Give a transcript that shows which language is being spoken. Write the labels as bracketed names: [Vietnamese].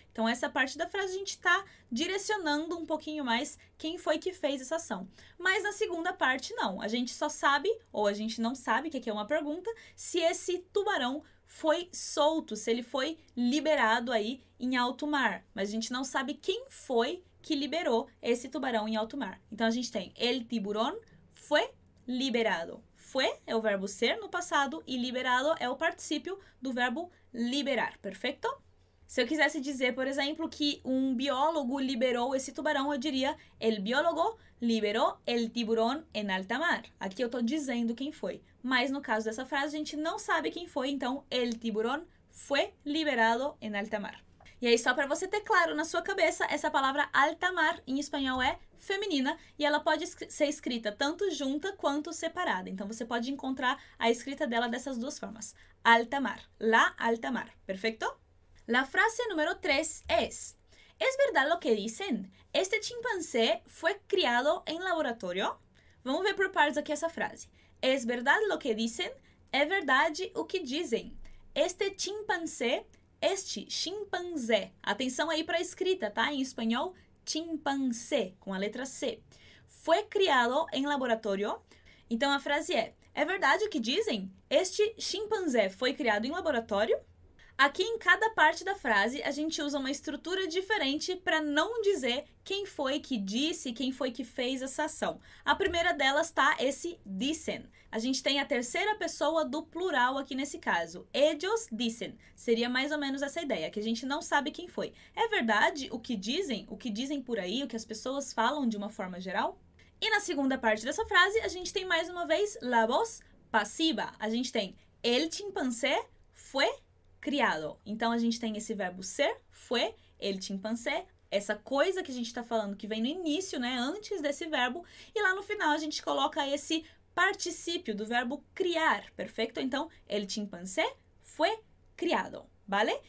[Portuguese] Então, essa parte da frase, a gente está direcionando um pouquinho mais quem foi que fez essa ação. Mas na segunda parte, não. A gente só sabe, ou a gente não sabe, que aqui é uma pergunta, se esse tubarão foi solto, se ele foi liberado aí em alto mar. Mas a gente não sabe quem foi que liberou esse tubarão em alto mar. Então, a gente tem [Spanish] el tiburón fue liberado. [Portuguese] Fue é o verbo ser no passado e liberado é o particípio do verbo liberar, perfeito? Se eu quisesse dizer, por exemplo, que um biólogo liberou esse tubarão, eu diria [Spanish] el biólogo [Portuguese] liberou [Spanish] el tiburón en alta mar. [Portuguese] Aqui eu estou dizendo quem foi. Mas no caso dessa frase, a gente não sabe quem foi, então [Spanish] el tiburón fue liberado en alta mar. [Portuguese] E aí, só para você ter claro na sua cabeça, essa palavra alta mar em espanhol é feminina e ela pode ser escrita tanto junta quanto separada. Então, você pode encontrar a escrita dela dessas duas formas. Alta mar. La alta mar. Perfeito? [Spanish] La frase número 3 es: ¿Es verdad lo que dicen? ¿Este chimpancé fue criado en laboratorio? Vamos ver por partes aqui essa frase. ¿Es verdad lo que dicen? [Portuguese] É verdade o que dizem. [Spanish] Este chimpancé. [Portuguese] Este chimpanzé. Atenção aí para a escrita, tá? Em espanhol, chimpanzé, com a letra C. Foi criado em laboratório. Então, a frase é: é verdade o que dizem? Este chimpanzé foi criado em laboratório? Aqui, em cada parte da frase, a gente usa uma estrutura diferente para não dizer quem foi que disse, quem foi que fez essa ação. A primeira delas tá esse dicen. A gente tem a terceira pessoa do plural aqui nesse caso. [Spanish] Ellos dicen. [Portuguese] Seria mais ou menos essa ideia, que a gente não sabe quem foi. É verdade o que dizem por aí, o que as pessoas falam de uma forma geral? E na segunda parte dessa frase, a gente tem mais uma vez la voz passiva. A gente tem [Spanish] el chimpancé fue criado. [Portuguese] Então, a gente tem esse verbo ser, foi, el chimpancé, essa coisa que a gente está falando que vem no início, né, antes desse verbo, e lá no final a gente coloca esse particípio do verbo criar, perfeito? Então, el chimpancé foi criado, vale?